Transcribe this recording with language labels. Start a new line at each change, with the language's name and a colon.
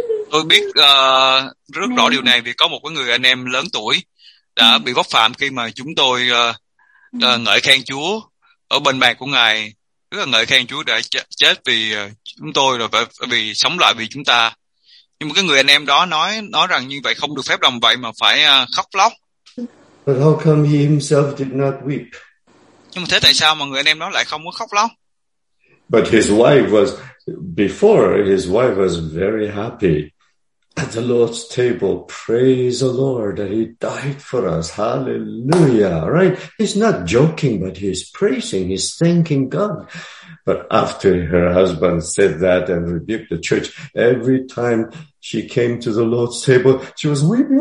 Vietnamese: Tôi biết rất rõ điều này vì có một cái người anh em lớn tuổi đã bị vấp phạm khi mà chúng tôi ngợi khen Chúa ở bên bàn của Ngài. Rất là ngợi khen Chúa đã chết vì chúng tôi rồi vì sống lại vì chúng ta. Nhưng mà cái người anh em đó nói rằng như vậy không được phép làm vậy mà phải khóc lóc.
English: But how come he himself did not weep?
Vietnamese: Nhưng mà thế tại sao mà người anh em đó lại không có khóc lóc?
English: But his wife was... Before, his wife was very happy at the Lord's table. Praise the Lord that he died for us. Hallelujah, right? He's not joking, but he's praising. He's thanking God. But after her husband said that and rebuked the church, every time she came to the Lord's table, she was weeping.